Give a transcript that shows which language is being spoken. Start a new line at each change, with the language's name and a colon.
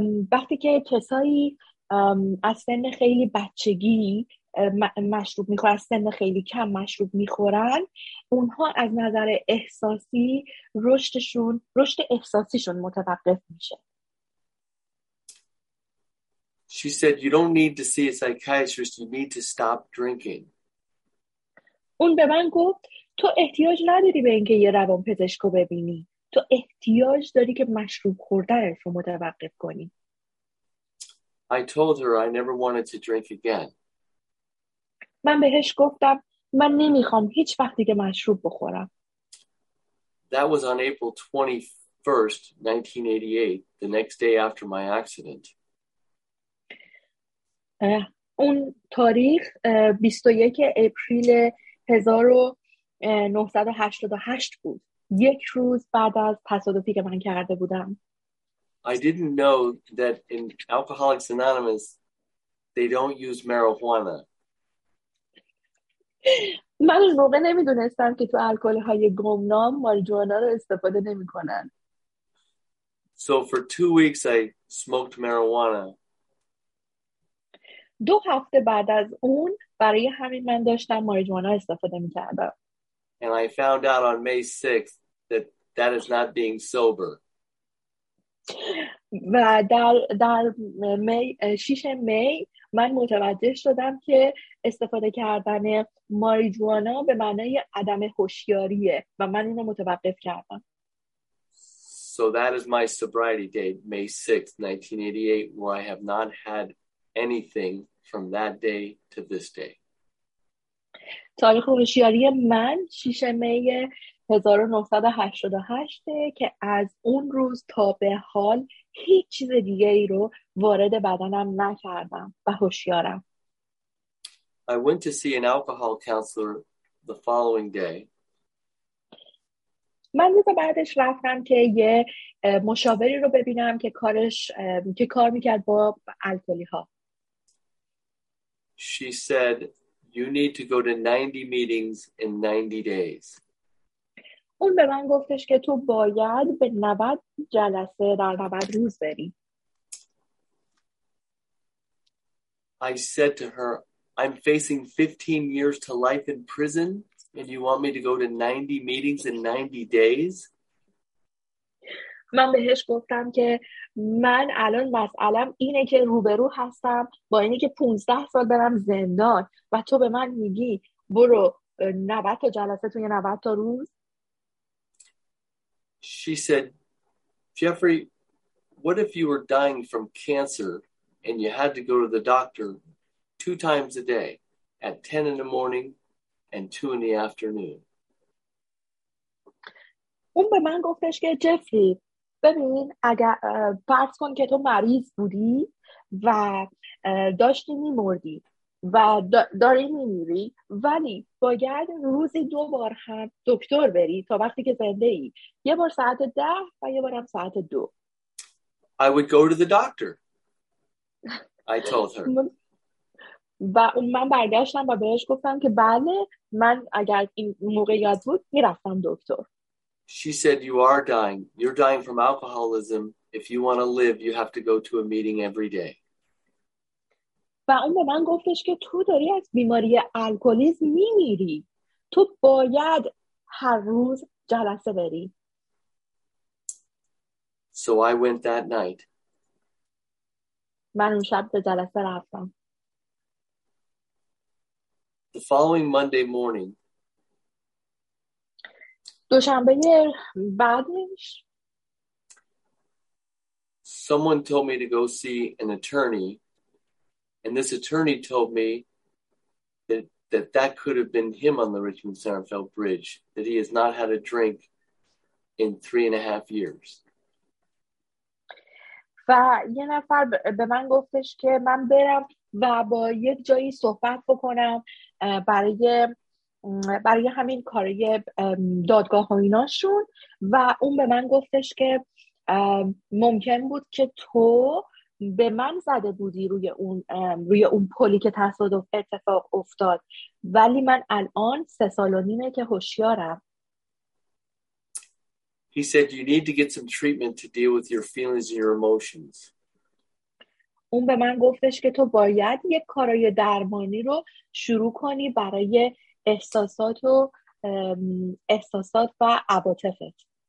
Persian: وقتی که کسایی از سن خیلی بچگی مشروب میخورن، از سن خیلی کم مشروب میخورن، اونها از نظر احساسی رشد احساسیشون متوقف میشه.
English: She said you don't need to see a psychiatrist, you need to stop drinking.
Persian: اون به من گفت تو احتیاج نداری به اینکه یه روانپزشک رو ببینی، تو احتیاج داری که مشروب خوردنت رو متوقف کنی.
English: I told her I never wanted to drink again.
Persian: من بهش گفتم من نمیخوام هیچ وقت دیگه مشروب بخورم.
English: That was on April 21st, 1988, the next day after my accident.
Persian: اون تاریخ 21 اپریل 1988 بود، یک روز بعد از تصادفی که من کرده بودم.
English: I didn't know that in Alcoholics Anonymous they don't use marijuana.
Persian: من اون موقع نمیدونستم که تو الکل‌های گمنام ماریجوانا رو استفاده نمی‌کنن.
English: So for 2 weeks I smoked marijuana.
Persian: دو هفته بعد از اون برای همین من داشتم ماریجوانا استفاده می‌کردم.
English: And I found out on May 6th that that is not being sober.
Persian: و در می 6 می من متوجه شدم که استفاده کردن ماریجوانا به معنای عدم هوشیاریه و من اینو متوقف کردم.
English: So that is my sobriety date, May 6th, 1988, where I have not had anything from that day to this day.
Persian: تاریخ هوشیاری من 6 می 1988 که از اون روز تا به حال هیچ چیز دیگه ای رو وارد بدنم نکردم و هوشیارم.
English: I went to see an alcohol counselor the following day.
Persian: من روز بعدش رفتم که یه مشاوری رو ببینم که کار میکرد با الکلی ها.
English: She said you need to go to 90 meetings in 90 days.
Persian: اون به من گفتش که تو باید به 90 جلسه در 90 روز بری.
English: I said to her, I'm facing 15 years to life in prison and you want me to go to 90 meetings in 90 days?
Persian: من بهش گفتم که من الان مسئلم اینه که روبرو هستم با اینه که 15 سال برم زندان و تو به من میگی برو 90 تا جلسه توی 90 تا روز؟
English: She said, Jeffrey, what if you were dying from cancer and you had to go to the doctor 2 times a day, at 10 in the morning and 2 in the afternoon?
Persian: اون به من گفتش که جفری، ببین اگر فرض کن که تو مریض بودی و داشتی میمردی و داری میمیری، ولی باید روزی دو بار هم دکتر بری تا وقتی که زنده ای، یه بار ساعت 10 و یه بار هم ساعت 2.
English: I would go to the doctor, I told her.
Persian: و اون من برگشتم و بهش گفتم که بله من اگر این موقعیت بود میرفتم دکتر.
English: She said, "You are dying. You're dying from alcoholism. If you want to live, you have to go to a meeting every day."
Persian: و اون به من گفتش که تو داری از بیماری الکلیسم میمیری. تو باید هر روز جلسه بری.
English: So I went that night.
Persian: من اون شب به جلسه رفتم.
English: The following Monday morning,
Persian: دوشنبه بعدش,
English: someone told me to go see an attorney, and this attorney told me that could have been him on the Richmond Sarnfeld Bridge, that he has not had a drink in 3.5 years.
Persian: و یه نفر به من گفتش که من برم و با یک جایی صحبت بکنم برای همین کاری دادگاه و ایناشون و اون به من گفتش که ممکن بود که تو به من زده بودی روی اون پلی که تصادف اتفاق افتاد ولی من الان 3 سال و نیمه که هوشیارم.
English: He said you need to get some treatment to deal with your feelings and your emotions.
Persian: اون به من گفتش که تو باید یک کارای درمانی رو شروع کنی برای احساسات و عواطفت.